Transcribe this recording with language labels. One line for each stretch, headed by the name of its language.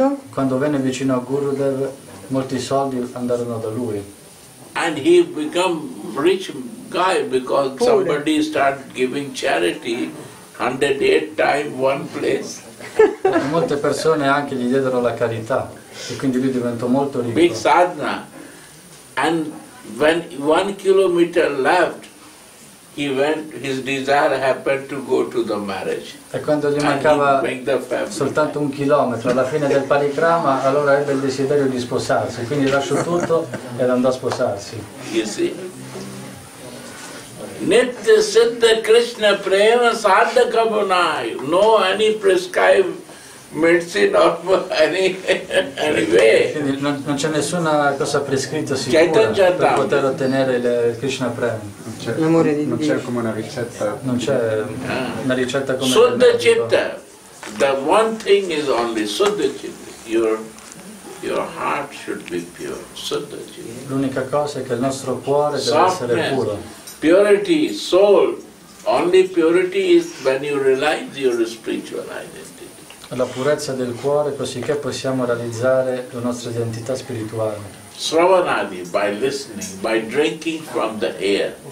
Italian: Quando venne vicino a Gurudev, molti soldi andarono da lui.
English: And he become rich guy because poor. Somebody start giving charity 108 times one place.
Italian: Molte persone anche gli diedero la carità e quindi lui diventò molto ricco.
English: Big sadhana. And when 1 kilometer left, he went, his desire happened to go to the marriage.
Italian: E quando gli mancava soltanto 1 chilometro alla fine del parikrama, allora ebbe il desiderio di sposarsi, quindi lasciò tutto e andò a sposarsi.
English: You see?
Bangla: Nitya Siddha Krishna Prema Sadhaka Gunai.
English: No any prescribed medicine of any way.
Italian: Non c'è nessuna cosa prescritta sicura per poter ottenere il Krishna Prema. L'amore di Dio. Non c'è come una ricetta. Non c'è una ricetta come.
English: Suddha Chitta. The one thing is only Suddha Chitta. Your your heart should be pure, Siddhaji.
Italian: L'unica cosa è che il nostro cuore deve essere puro.
English: Purity, soul, only purity is when you realize your spiritual identity.
Italian: La purezza del cuore, così che possiamo realizzare la nostra identità spirituale.
English: Sravanadi, by listening, by drinking from the air.